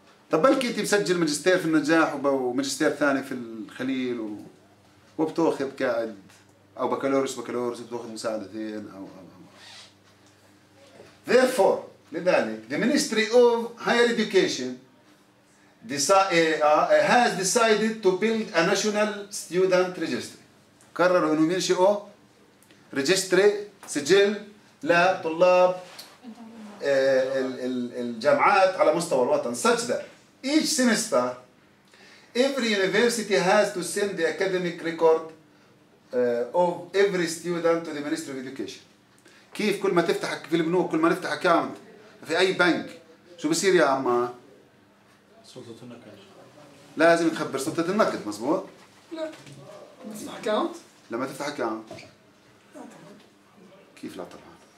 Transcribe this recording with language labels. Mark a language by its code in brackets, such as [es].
[ar] طب بلكي أنت مسجل ماجستير في النجاح وماجستير ثاني في الخليل وبتأخذ قاعد أو بكالوريوس بتأخذ مساعدتين أو [en] Therefore, [ar] لذلك, [en] the Ministry of Higher Education has decided to build a national student registry. [ar] قرروا إنهم ينشئوا registry سجل لطلاب الجامعات على مستوى الوطن. [en] Such that each semester, every university has to send the academic record of every student to the Ministry of Education. [ar] كيف كل ما تفتح في البنوك كل ما نفتح اكاونت في اي بنك شو بصير يا عمه سلطه النقد لازم تخبر سلطه النقد مزبوط لا تفتح اكاونت لما تفتح اكاونت لا كيف لا طبعا